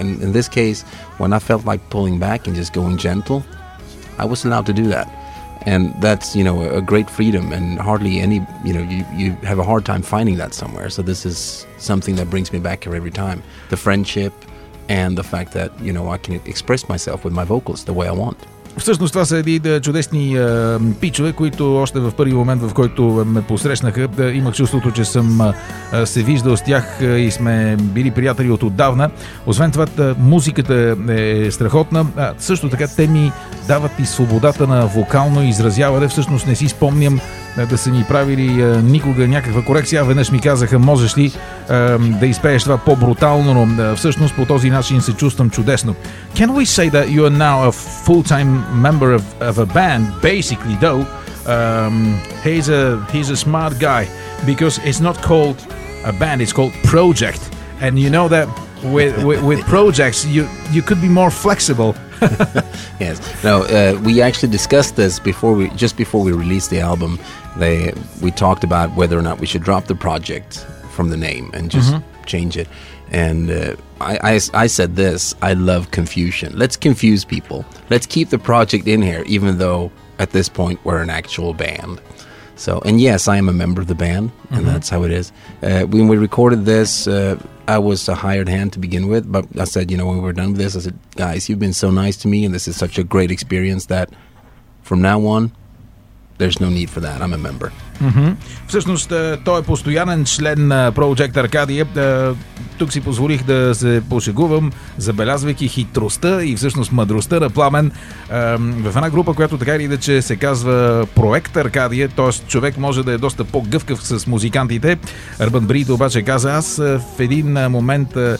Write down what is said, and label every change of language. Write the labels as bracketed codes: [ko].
[en] And in this case, when I felt like pulling back and just going gentle, I was allowed to do that. And that's, you know, a great freedom and hardly any, you know, you have a hard time finding that somewhere. So this is something that brings me back here every time. The friendship and the fact that, you know, I can express myself with my vocals the way I want. [bg] Всъщност това са едни чудесни пичове, които още в първи момент, в който ме посрещнаха, имах чувството, че съм се виждал с тях и сме били приятели от отдавна. Освен това, музиката е страхотна. Също така те ми дават и свободата на вокално изразяване. Всъщност не си спомням да са ми правили никога някаква корекция. Веднъж ми казаха, можеш ли да изпееш това по-брутално, но всъщност по този начин се чувствам чудесно. [en] Can we say that you are now a full-time member of a band, basically though? He's a smart guy, because it's not called a band, it's called Project. And you know that with projects, you could be more flexible. Yes. No, we actually discussed this just before we released the album. We talked about whether or not we should drop the project from the name and just mm-hmm. change it. And I said this, I love confusion. Let's confuse people. Let's keep the project in here, even though at this point we're an actual band. So, and yes, I am a member of the band, and mm-hmm. that's how it is. When we recorded this, I was a hired hand to begin with, but I said, you know, when we were done with this, I said, guys, you've been so nice to me, and this is such a great experience that from now on, there's no need for that. I'm a member. Mm-hmm. [bg] Всъщност, той е постоянен член на Project Arcadia. Тук си позволих да се пошегувам, забелязвайки хитростта и всъщност мъдростта на Пламен в една група, която така или иначе се казва Project Arcadia, т.е. човек може да е доста по-гъвкав с музикантите. Urban Breed обаче каза, аз в един момент